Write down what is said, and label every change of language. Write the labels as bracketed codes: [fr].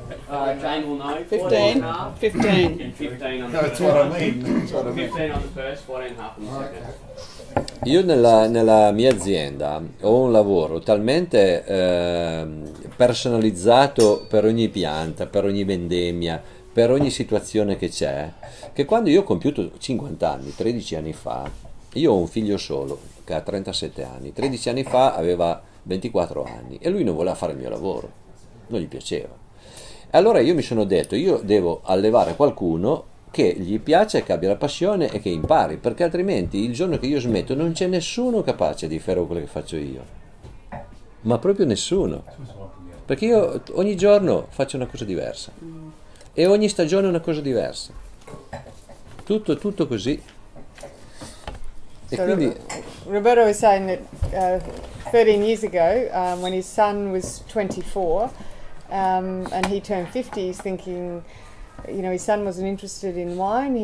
[en] on the first, 14 and a half on the second. [it] Io nella mia azienda ho un lavoro talmente personalizzato per ogni pianta, per ogni vendemmia, per ogni situazione che c'è, che quando io ho compiuto 50 anni, 13 anni fa, io ho un figlio solo che ha 37 anni, 13 anni fa aveva 24 anni e lui non voleva fare il mio lavoro, non gli piaceva. Allora io mi sono detto, io devo allevare qualcuno che gli piace, che abbia la passione e che impari, perché altrimenti il giorno che io smetto non c'è nessuno capace di fare quello che faccio io, ma proprio nessuno, perché io ogni giorno faccio una cosa diversa e ogni stagione una cosa diversa, tutto così. [en] E so quindi Roberto was saying that 13 years ago when his son was 24 and he turned 50, he's thinking, you know, his son wasn't interested in wine.